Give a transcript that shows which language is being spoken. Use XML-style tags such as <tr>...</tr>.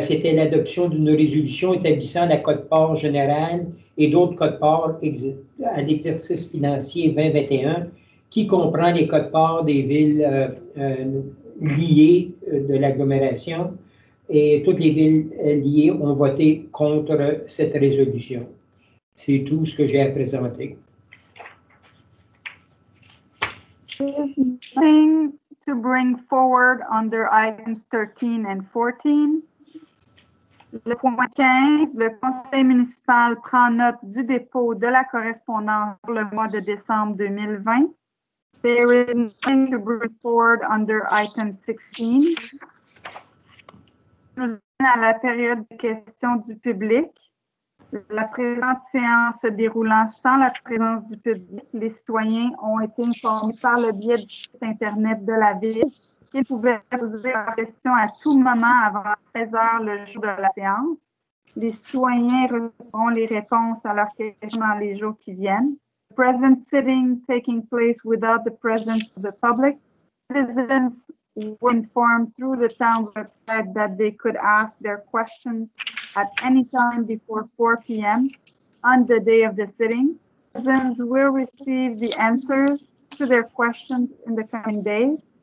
<fr>C'était l'adoption d'une résolution établissant la cote-part générale et d'autres cote-part à l'exercice financier 2021 qui comprend les cote-part des villes liées de l'agglomération, et toutes les villes liées ont voté contre cette résolution. C'est tout ce que j'ai à présenter.</fr> <en>There is nothing to bring forward under items 13 and 14.</en> <fr>Le point 15, le conseil municipal prend note du dépôt de la correspondance pour le mois de décembre 2020.</fr> <en>There is nothing to bring forward under item 16.</en> <fr>Nous allons à la période de questions du public. La présente séance se déroulant sans la présence du public, les citoyens ont été informés par le biais du site Internet de la Ville qu'ils pouvaient poser leurs questions à tout moment avant 16 heures le jour de la séance. Les citoyens recevront les réponses à leurs questions dans les jours qui viennent.</fr> <en>Present sitting taking place without the presence of the public. Citizens were informed through the town's website that they could ask their questions at any time before 4 p.m. on the day of the sitting. Citizens will receive the answers to their questions in the coming days.</en>